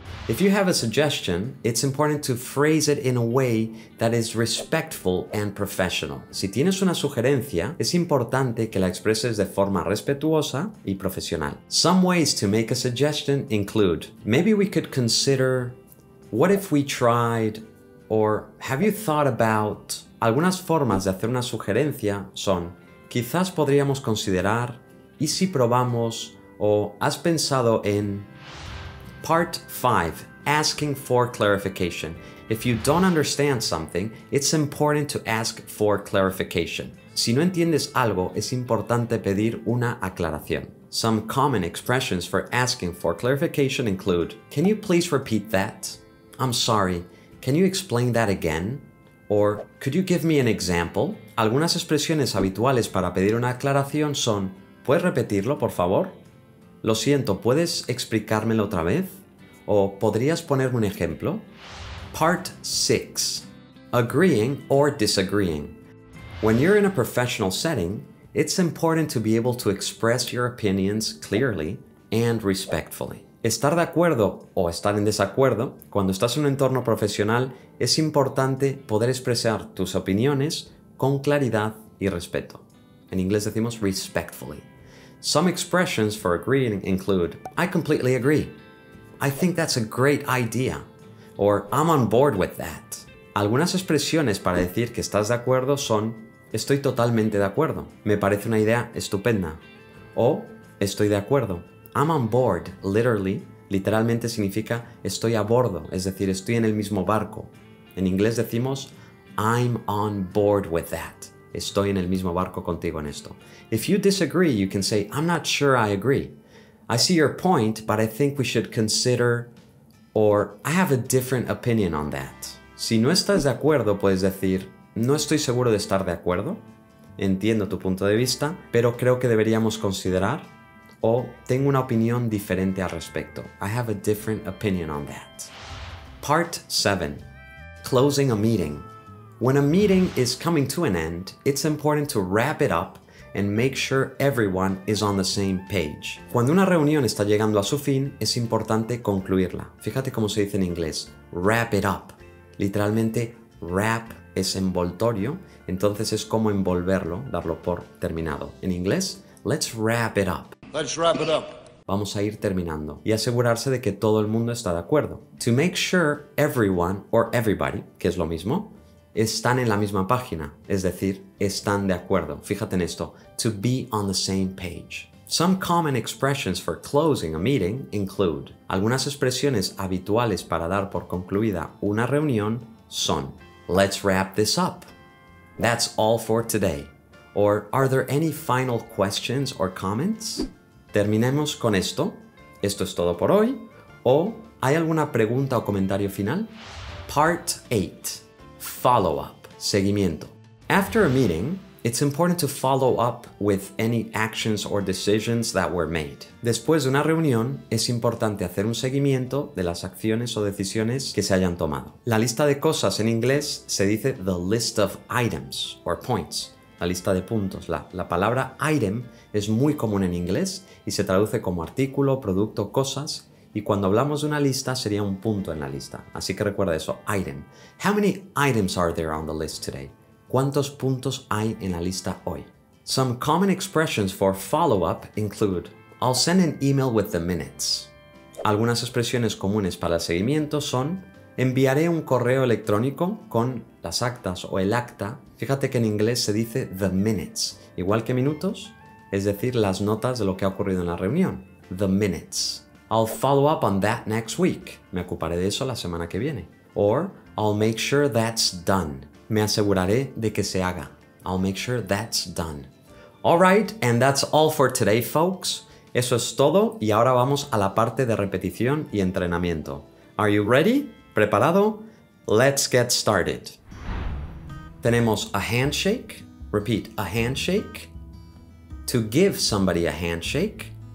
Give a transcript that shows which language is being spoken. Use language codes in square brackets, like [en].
[en] If you have a suggestion, it's important to phrase it in a way that is respectful and professional. [es] Si tienes una sugerencia, es importante que la expreses de forma respetuosa y profesional. [en] Some ways to make a suggestion include, maybe we could consider, what if we tried, or have you thought about... [es] Algunas formas de hacer una sugerencia son, quizás podríamos considerar, y si probamos, o has pensado en... [en] Part 5. Asking for clarification. If you don't understand something, it's important to ask for clarification. [es] Si no entiendes algo, es importante pedir una aclaración. [en] Some common expressions for asking for clarification include, can you please repeat that? I'm sorry, can you explain that again? Or, could you give me an example? [es] Algunas expresiones habituales para pedir una aclaración son, ¿puedes repetirlo, por favor? Lo siento, ¿puedes explicármelo otra vez? O, ¿podrías ponerme un ejemplo? [en] Part 6. Agreeing or disagreeing. When you're in a professional setting, it's important to be able to express your opinions clearly and respectfully. [es] Estar de acuerdo o estar en desacuerdo, cuando estás en un entorno profesional, es importante poder expresar tus opiniones con claridad y respeto. En inglés decimos [en] respectfully. Some expressions for agreeing include, I completely agree. I think that's a great idea. Or, I'm on board with that. [es] Algunas expresiones para decir que estás de acuerdo son, estoy totalmente de acuerdo. Me parece una idea estupenda. O, estoy de acuerdo. [en] I'm on board, literally, [es] literalmente significa estoy a bordo, es decir, estoy en el mismo barco. En inglés decimos [en] I'm on board with that. [es] Estoy en el mismo barco contigo en esto. [en] If you disagree, you can say I'm not sure I agree. I see your point, but I think we should consider, or I have a different opinion on that. [es] Si no estás de acuerdo, puedes decir no estoy seguro de estar de acuerdo. Entiendo tu punto de vista, pero creo que deberíamos considerar, o tengo una opinión diferente al respecto. [en] I have a different opinion on that. Part 7. Closing a meeting. When a meeting is coming to an end, it's important to wrap it up and make sure everyone is on the same page. [es] Cuando una reunión está llegando a su fin, es importante concluirla. Fíjate cómo se dice en inglés, [en] wrap it up. [es] Literalmente, wrap es envoltorio, entonces es como envolverlo, darlo por terminado. En inglés, [en] let's wrap it up. Let's wrap it up. [es] Vamos a ir terminando y asegurarse de que todo el mundo está de acuerdo. [en] To make sure everyone or everybody, [es] que es lo mismo, están en la misma página, es decir, están de acuerdo. Fíjate en esto, [en] to be on the same page. Some common expressions for closing a meeting include. [es] Algunas expresiones habituales para dar por concluida una reunión son. [en] Let's wrap this up. That's all for today. Or, are there any final questions or comments? [es] Terminemos con esto. Esto es todo por hoy. O, ¿hay alguna pregunta o comentario final? [en] Part 8. Follow up. [es] Seguimiento. [en] After a meeting, it's important to follow up with any actions or decisions that were made. [es] Después de una reunión, es importante hacer un seguimiento de las acciones o decisiones que se hayan tomado. La lista de cosas en inglés se dice [en] the list of items or points. [es] La lista de puntos. La palabra item es muy común en inglés y se traduce como artículo, producto, cosas. Y cuando hablamos de una lista, sería un punto en la lista. Así que recuerda eso, item. [en] How many items are there on the list today? [es] ¿Cuántos puntos hay en la lista hoy? [en] Some common expressions for follow-up include I'll send an email with the minutes. [es] Algunas expresiones comunes para el seguimiento son enviaré un correo electrónico con las actas o el acta. Fíjate que en inglés se dice [en] the minutes, [es] igual que minutos, es decir, las notas de lo que ha ocurrido en la reunión. [en] The minutes. I'll follow up on that next week. [es] Me ocuparé de eso la semana que viene. [en] Or I'll make sure that's done. [es] Me aseguraré de que se haga. [en] I'll make sure that's done. All right, and that's all for today, folks. [es] Eso es todo y ahora vamos a la parte de repetición y entrenamiento. [en] Are you ready? [es] ¿Preparado? [en] Let's get started. [es] Tenemos [en] a handshake. Repeat, a handshake. To give somebody a handshake.